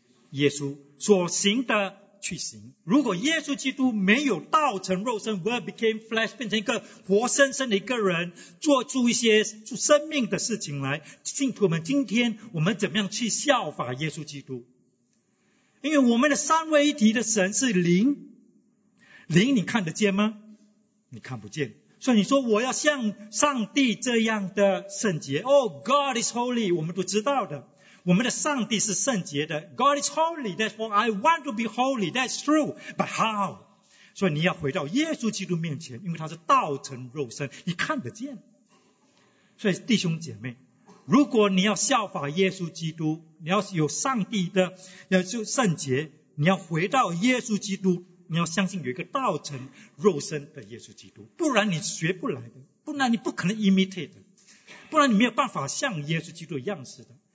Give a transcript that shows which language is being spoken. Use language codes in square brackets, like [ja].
[zh] 耶稣所行的去行。如果耶稣基督没有道成肉身 [en] Word became flesh [zh] 变成一个活生生的一个人，做出一些生命的事情来，信徒们今天我们怎么样去效法耶稣基督？因为我们的三位一体的神是灵，灵你看得见吗？你看不见。所以你说我要像上帝这样的圣洁，哦、 [en] oh, God is holy， [zh] 我们都知道的，我们的上帝是圣洁的， [en] God is holy， therefore I want to be holy， that's true， but how？ [zh] 所以你要回到耶稣基督面前，因为他是道成肉身，你看得见。所以弟兄姐妹，如果你要效法耶稣基督，你要有上帝的要就圣洁，你要回到耶稣基督，你要相信有一个道成肉身的耶稣基督，不然你学不来的，不然你不可能 imitate 的，不然你没有办法像耶稣基督的样式的。